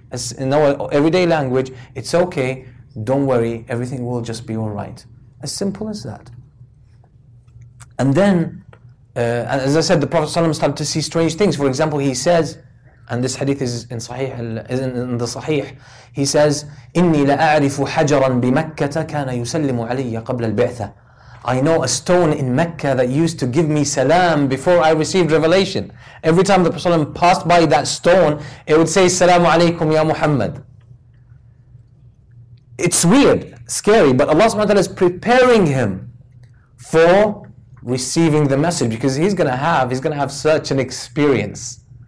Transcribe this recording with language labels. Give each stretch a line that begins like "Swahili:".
English: As in our everyday language, it's okay, don't worry, everything will just be all right. As simple as that. And then, as I said, the Prophet ﷺ started to see strange things. For example, he says, And this hadith is in Sahih, in the Sahih. He says,
Arabic: إِنِّي لَأَعْرِفُ حَجَرًا بِمَكَّةَ كَانَ يُسَلِّمُ عَلَيَّ قَبْلَ الْبِعْثَةِ.
English: I know a stone in Mecca that used to give me salam before I received revelation. Every time the Prophet ﷺ passed by that stone, it would say, Salamu alaykum ya Muhammad. It's weird, scary, but Allah subhanahu wa ta'ala is preparing him for receiving the message, because he's gonna have such an experience.